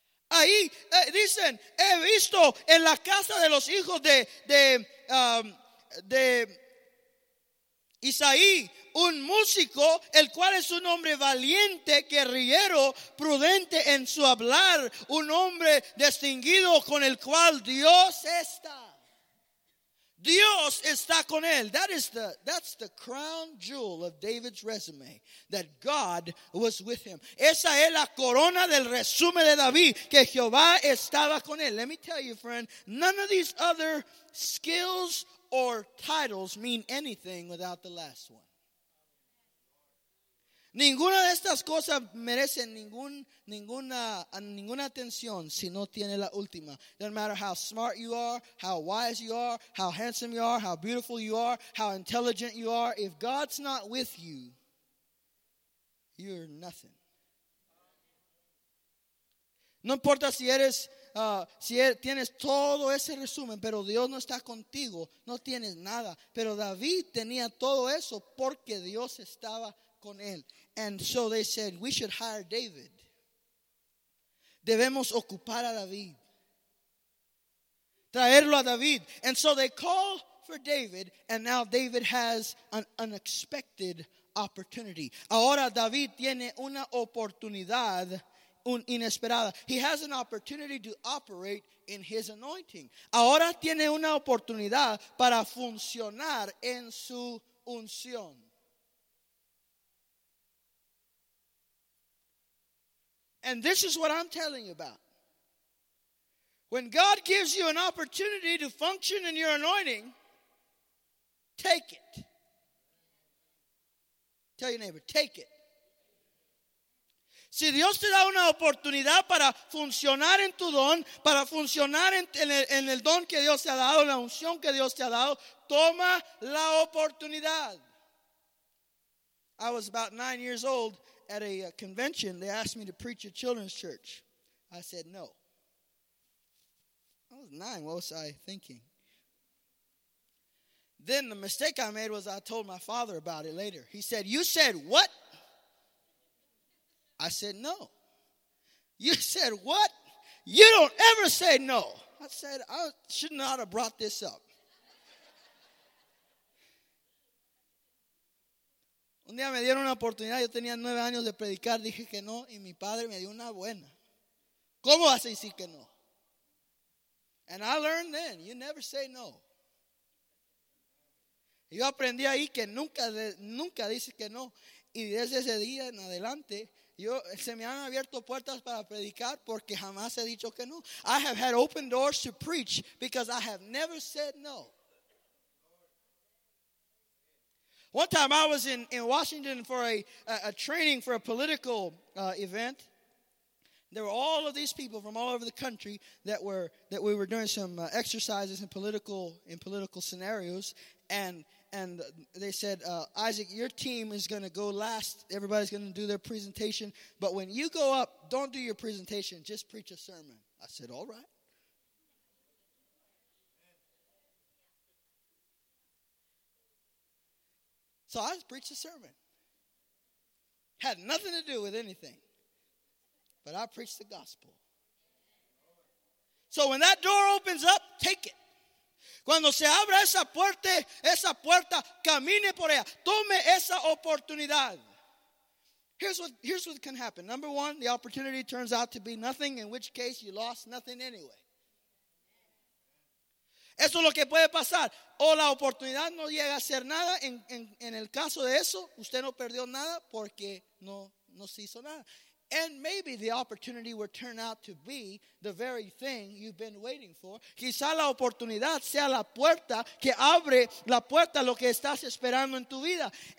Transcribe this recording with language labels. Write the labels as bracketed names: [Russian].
[Spanish] Ahí dicen, he visto en la casa de los hijos de Isaí un músico, el cual es un hombre valiente, guerrillero, prudente en su hablar, un hombre distinguido con el cual Dios está. Dios está con él. [English] That's the crown jewel of David's resume, that God was with him. [Spanish] Esa es la corona del resumen de David, que Jehová estaba con él. [English] Let me tell you, friend, none of these other skills or titles mean anything without the last one. [Spanish] Ninguna de estas cosas merece ninguna atención si no tiene la última. [English] No matter how smart you are, how wise you are, how handsome you are, how beautiful you are, how intelligent you are, if God's not with you, you're nothing. [Spanish] No importa si eres, tienes todo ese resumen, pero Dios no está contigo, no tienes nada. Pero David tenía todo eso porque Dios estaba con él. [English] And so they said, we should hire David. [Spanish] Debemos ocupar a David. Traerlo a David. [English] And so they call for David, and now David has an unexpected opportunity. [Spanish] Ahora David tiene una oportunidad inesperada. [English] He has an opportunity to operate in his anointing. [Spanish] Ahora tiene una oportunidad para funcionar en su unción. [English] And this is what I'm telling you about. When God gives you an opportunity to function in your anointing, take it. Tell your neighbor, take it. [Spanish] Si Dios te da una oportunidad para funcionar en tu don, para funcionar en el don que Dios te ha dado, la unción que Dios te ha dado, toma la oportunidad. [English] I was about 9 years old at a convention. They asked me to preach at children's church. I said no. I was 9. What was I thinking? Then the mistake I made was I told my father about it later. He said, "You said what?" I said, "No." "You said what? You don't ever say no." I said, "I should not have brought this up." [Spanish] Un día me dieron una oportunidad. Yo tenía 9 años de predicar. Dije que no. Y mi padre me dio una buena. ¿Cómo vas a decir que no? [English] And I learned then, you never say no. [Spanish] Yo aprendí ahí que nunca dices que no. Y desde ese día en adelante, se me han abierto puertas para predicar porque jamás he dicho que no. [English] I have had open doors to preach because I have never said no. One time I was in Washington for a training for a political event. There were all of these people from all over the country that we were doing some exercises in political scenarios, and they said, "Isaac, your team is going to go last. Everybody's going to do their presentation, but when you go up, don't do your presentation. Just preach a sermon." I said, "All right." So I preached a sermon. Had nothing to do with anything. But I preach the gospel. So when that door opens up, take it. [Spanish] Cuando se abra esa puerta, camine por ella. Tome esa oportunidad. [English] Here's what can happen. Number one, the opportunity turns out to be nothing, in which case you lost nothing anyway. [Spanish] Eso es lo que puede pasar. O la oportunidad no llega a ser nada. En el caso de eso, usted no perdió nada porque no se hizo nada. [English] And maybe the opportunity will turn out to be the very thing you've been waiting for. [Spanish] Quizá la oportunidad sea la puerta que abre la puerta a lo que estás esperando en tu vida.